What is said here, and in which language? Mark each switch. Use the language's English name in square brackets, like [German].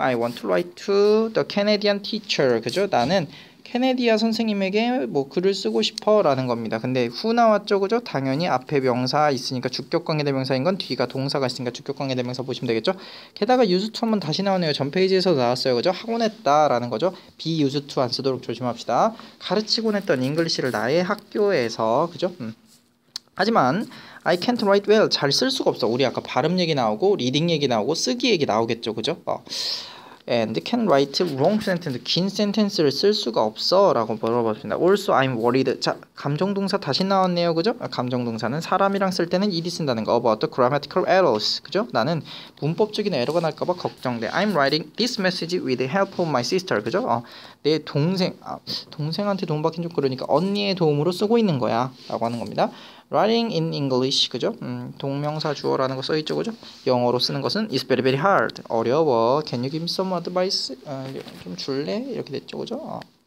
[English] I want to write to the Canadian teacher. [Korean] 그죠? 나는 케네디아 선생님에게 뭐 글을 쓰고 싶어 라는 겁니다. 근데 후 나왔죠. 그죠? 당연히 앞에 명사 있으니까 주격관계대명사인 건 뒤가 동사가 있으니까 주격관계대명사 보시면 되겠죠. 게다가 used to 한번 다시 나오네요. 전 페이지에서도 나왔어요. 그죠? 하곤 했다 라는 거죠. be used to 안 쓰도록 조심합시다. 가르치곤 했던 잉글리시를 나의 학교에서 그죠? 하지만 [English] I can't write well. [Korean] 잘 쓸 수가 없어. 우리 아까 발음 얘기 나오고 리딩 얘기 나오고 쓰기 얘기 나오겠죠. 그죠? [English] And can write long sentence, [Korean] 긴 sentence를 쓸 수가 없어 라고 물어봤습니다. [English] Also, I'm worried. [Korean] 자, 감정동사 다시 나왔네요. 그죠? 감정동사는 사람이랑 쓸 때는 이리 쓴다는 거. [English] About the grammatical errors. 그죠? [Korean] 나는 문법적인 에러가 날까봐 걱정돼. [English] I'm writing this message with the help of my sister. [Korean] 그죠? 내 동생, 동생한테 도움받긴 좀 그러니까 언니의 도움으로 쓰고 있는 거야. 라고 하는 겁니다. [English] Writing in English, 그죠? [Korean] 동명사 주어라는 거 써있죠, 그죠? 영어로 쓰는 것은 [English] It's very, very hard. [Korean] 어려워. [English] Can you give me some advice? [Korean] 좀 줄래? 이렇게 됐죠, 그죠?